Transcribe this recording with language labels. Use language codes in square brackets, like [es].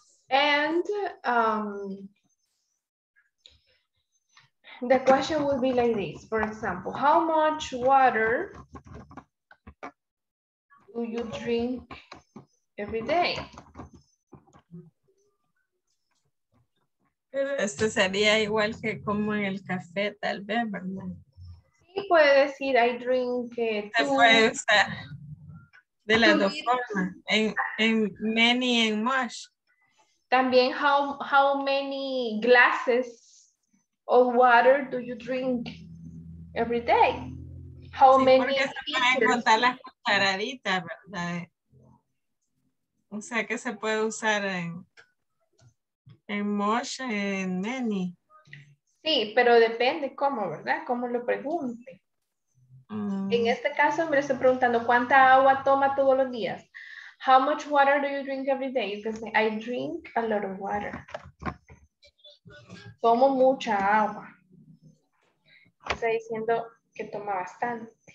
[en] And the question would be like this, for example, how much water do you drink every day? [es] Pero esto sería igual que como en el café, tal vez, ¿verdad? Sí, puede decir, [en] I drink [es] two. Se puede usar de las dos formas, en many and much. También, [en] how many glasses of water do you drink every day? How many [es] porque se pueden contar las cucharaditas, ¿verdad? O sea que se puede usar en much, en many. Sí, pero depende cómo, ¿verdad? Cómo lo pregunte. En este caso me estoy preguntando cuánta agua toma todos los días. [en] How much water do you drink every day? You can say, I drink a lot of water. [es] Tomo mucha agua. Está diciendo que toma bastante.